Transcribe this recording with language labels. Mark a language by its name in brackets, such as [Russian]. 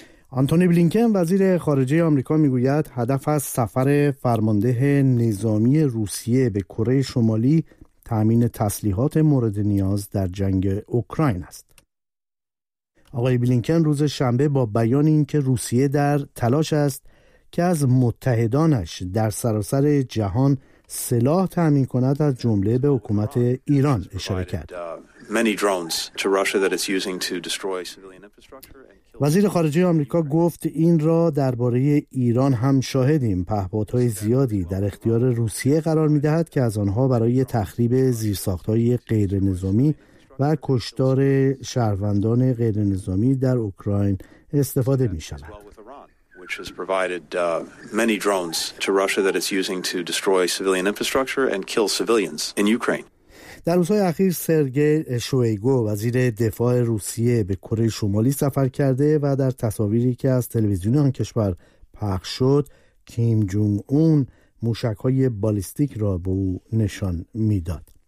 [Persian] آنتونی بلینکن وزیر خارجه آمریکا میگوید هدف از سفر فرمانده نظامی روسیه به کره شمالی تامین تسلیحات مورد نیاز در جنگ اوکراین است. آقای بلینکن روز شنبه با بیان اینکه روسیه در تلاش است که از متحدانش در سراسر جهان سلاح تامین کند از جمله به حکومت ایران اشاره کرد. [English] Many drones to Russia that it's using to destroy civilian infrastructure and kill. [Persian] وزیر خارجه آمریکا گفت این را درباره ایران هم شاهدیم. پهپادهای زیادی در اختیار روسیه قرار می‌دهد که از آنها برای تخریب زیرساخت‌های غیر نظامی و کشتار شهروندان غیر نظامی در اوکراین استفاده می‌شود. [English] Which has provided many drones to Russia that it's using to destroy civilian infrastructure and kill civilians in Ukraine. [Persian] در روزهای اخیر سرگئی شویگو وزیر دفاع روسیه به کره شمالی سفر کرده و در تصاویری که از تلویزیون آن کشور پخش شد کیم جونگ اون موشک‌های بالیستیک را به او نشان می‌داد.